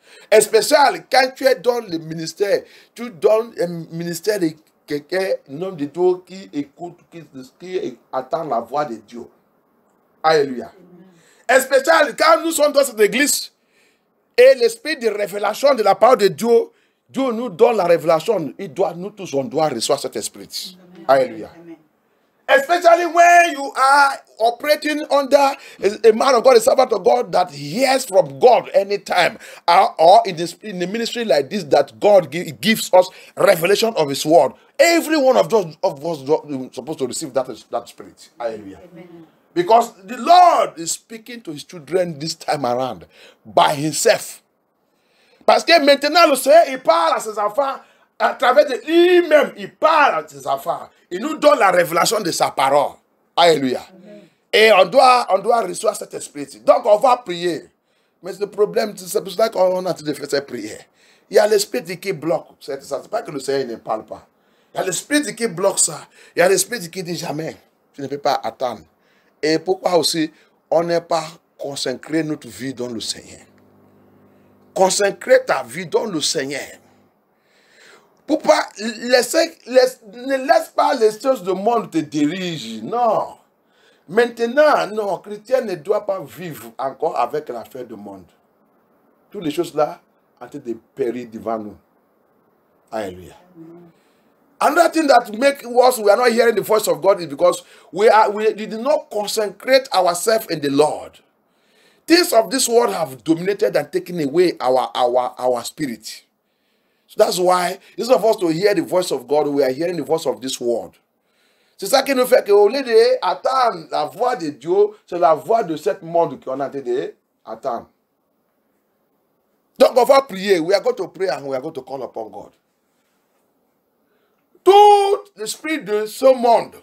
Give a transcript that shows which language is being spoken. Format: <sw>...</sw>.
<fr>Et spécial, quand tu es dans le ministère, tu donnes un ministère de quelqu'un, un homme de Dieu qui écoute, qui attend la voix de Dieu. Alléluia. Et spécial, quand nous sommes dans cette église, et l'esprit de révélation de la parole de Dieu, Dieu nous donne la révélation, il doit, nous tous, on doit recevoir cet esprit. Alléluia.</fr> <en>Especially when you are operating under a man of God, a servant of God that hears from God anytime, or in the ministry like this, that God gives us revelation of His word. Every one of those of us supposed to receive that spirit. Alleluia. Because the Lord is speaking to His children this time around by Himself.</en> <fr>Parce que maintenant le Seigneur il parle à ses enfants. À travers de lui-même, il parle à ses enfants. Il nous donne la révélation de sa parole. Alléluia. Amen. Et on doit recevoir cet esprit. Donc, on va prier. Mais le problème, c'est pour cela qu'on a fait cette prière. Il y a l'esprit qui bloque. Ce n'est pas que le Seigneur ne parle pas. Il y a l'esprit qui bloque ça. Il y a l'esprit qui dit jamais. Tu ne peux pas attendre. Et pourquoi aussi, on n'est pas consacré notre vie dans le Seigneur. Consacrer ta vie dans le Seigneur. Pourquoi ne laisse pas les choses du monde te diriger. Non. Maintenant, non, chrétien ne doit pas vivre encore avec l'affaire du monde. Toutes les choses-là en train de périr devant nous. Alléluia.</fr> <en>Another thing that makes us we are not hearing the voice of God is because we did not consecrate ourselves in the Lord. Things of this world have dominated and taken away our spirit. That's why, instead of us to hear the voice of God, we are hearing the voice of this world.</en> <fr>C'est ça qui nous fait que, au lieu d'attendre la voix de Dieu, c'est la voix de ce monde qu'on a dit d'attendre. Donc, on va prier.</fr> <en>We are going to pray and we are going to call upon God.</en> <fr>Tout l'esprit de ce monde,</fr>